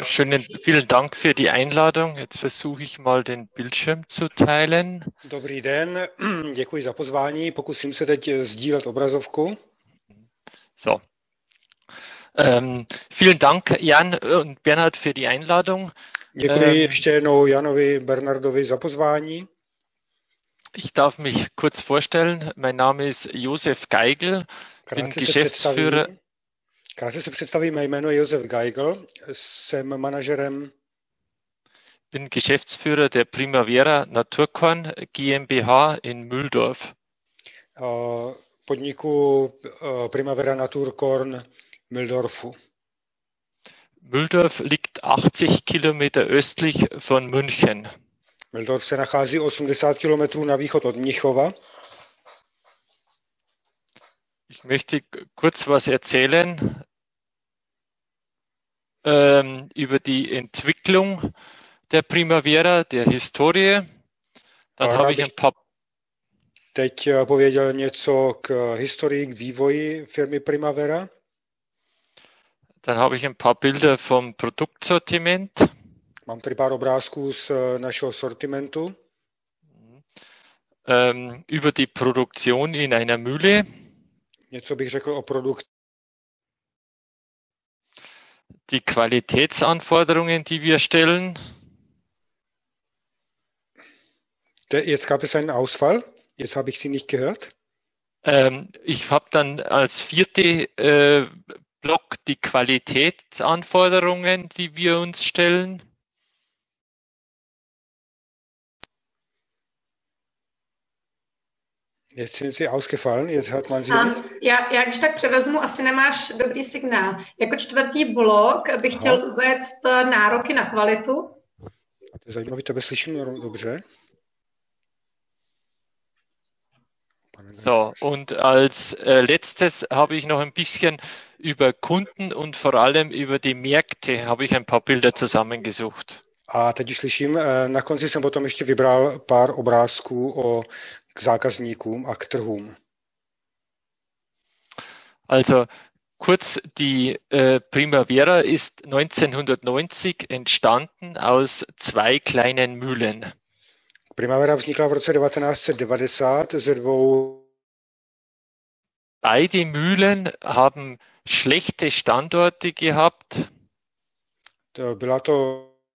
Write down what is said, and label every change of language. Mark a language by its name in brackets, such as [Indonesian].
[German] Vielen Dank für die Einladung. Jetzt versuche ich mal den Bildschirm zu teilen. [Czech] Dobrý den, děkuji za pozvání. Pokusím se teď sdílet obrazovku. So. [German] Vielen Dank, Jan und Bernhard, für die Einladung. [Czech] Děkuji ještě jednou Janovi Bernardovi za pozvání. [German] Ich darf mich kurz vorstellen. Mein Name ist Josef Geigel, bin Geschäftsführer. [Czech] Krátce se představím, mé jméno je Josef Geigel, jsem manažerem [German] Bin Geschäftsführer der Primavera Naturkorn GmbH in Mühldorf. [Czech] podniku Primavera Naturkorn Mühldorfu. [German] Mühldorf liegt 80 Kilometer östlich von München. [Czech] Mühldorf se nachází 80 Kilometrů na východ od Mnichova. [German] Ich möchte kurz was erzählen über die Entwicklung der Primavera, der Historie. Dann [Czech] Rád [German] habe ich ein [Czech] bych [German] paar. [Czech] teď pověděl něco k historii, k vývoji firmy Primavera. [German] Dann habe ich ein paar Bilder vom Produktsortiment. [Czech] Mám tady pár obrázků z našeho sortimentu. [German] Über die Produktion in einer Mühle. [Czech] Něco bych řekl o produkci. [German] Die Qualitätsanforderungen, die wir stellen. Jetzt gab es einen Ausfall. Jetzt habe ich Sie nicht gehört. Ich habe dann als vierte Block die Qualitätsanforderungen, die wir uns stellen. Jetzt sind Sie ausgefallen. Jetzt hört man Sie nicht. [Czech] Já když tak převezmu, asi nemáš dobrý signál. Jako čtvrtý blok bych Aha. chtěl uvést nároky na kvalitu. Je zajímavé, tebe slyším dobře. [German] So, und als letztes habe ich noch ein bisschen über Kunden und vor allem über die Märkte habe ich ein paar Bilder zusammengesucht. [Czech] A teď už slyším, na konci jsem potom ještě vybral pár obrázků k zákazníkům a k trhům. [German] Also kurz, die Primavera ist 1990 entstanden aus zwei kleinen Mühlen. [Czech] Primavera vznikla v roce 1990 ze dvou. [German] Beide Mühlen haben schlechte Standorte gehabt. [Czech] To byla to.